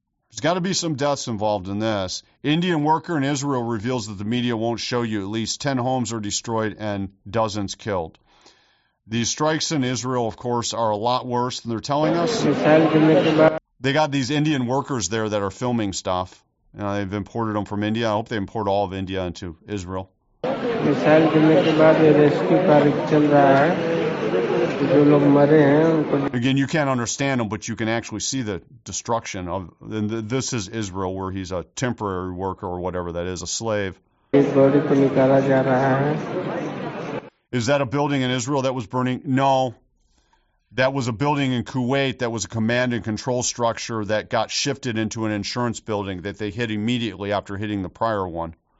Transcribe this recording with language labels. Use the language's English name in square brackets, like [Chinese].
[English] There's got to be some deaths involved in this. Indian worker in Israel reveals that the media won't show you. At least 10 homes are destroyed and dozens killed. These strikes in Israel, of course, are a lot worse than they're telling us. They got these Indian workers there that are filming stuff. You know, they've imported them from India. I hope they import all of India into Israel. [Hindi] Missile गिरने के बाद ये rescue कार्य चल रहा है जो लोग मरे हैं उनको [English] Again, you can't understand him, but you can actually see the destruction of and this is Israel where he's a temporary worker or whatever that is, a slave. [Hindi] इस बॉडी को निकाला जा रहा है. [English] Is that a building in Israel that was burning? No. That was a building in Kuwait that was a command and control structure that got shifted into an insurance building that they hit immediately after hitting the prior one.